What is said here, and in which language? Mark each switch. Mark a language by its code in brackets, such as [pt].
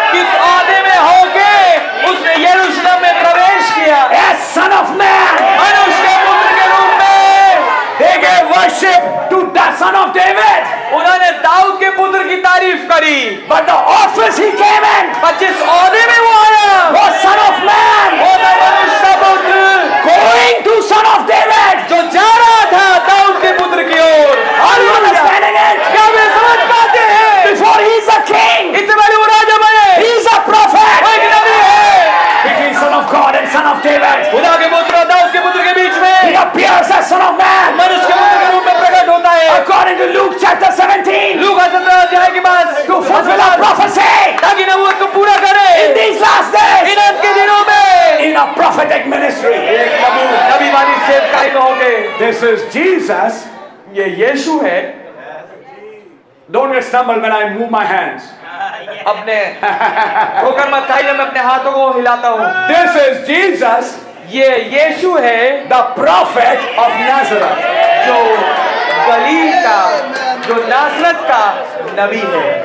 [hi] किस आदे में होके उसने यरूशलेम में प्रवेश किया? [en] As son of man, [hi] मनुष्य के पुत्र के रूप में. [en] They gave worship to the son of David. [hi] उन्होंने दाऊद के पुत्र की तारीफ करी. [en] But the office he came in, [hi] पर जिस आदे में वो आया, [en] was son of man. [hi] वो था मनुष्य का पुत्र. [en] Going to son of David, [hi] जो जा रहा था दाऊद के पुत्र की ओर. [en] Are you understanding it? [hi] क्या वे समझ पाते हैं? [en] Before he is a king, [hi] इससे पहले वो राजा बने. [en] He is a prophet, [hi] वो एक नबी है. [en] Between son of God and son of David, [hi] खुदा के पुत्र और दाऊद के पुत्र के बीच में. [en] He appears as son of man, [hi] मनुष्य के पुत्र के रूप में प्रकट होता है. [en] According to Luke chapter 17, [hi] लूका 17 अध्याय के बाद. [en] To fulfill a prophecy, [hi] ताकि नबूवत को पूरा करे. [en] In these last days, [hi] इन अंत के दिनों में. [en] In a prophetic ministry, [hi] एक नबी वाली सेवकाई में होंगे. [en] This is Jesus, [hi] ये यीशु है. [en] Don't get stumbled when I move my hands. [hi] अपने ठोकर मत खाइए जब मैं अपने हाथों को हिलाता हूँ. [en] This is Jesus. [hi] ये यीशु है. [en] The prophet of Nazareth. [hi] जो गली का, जो नासरत का नबी है.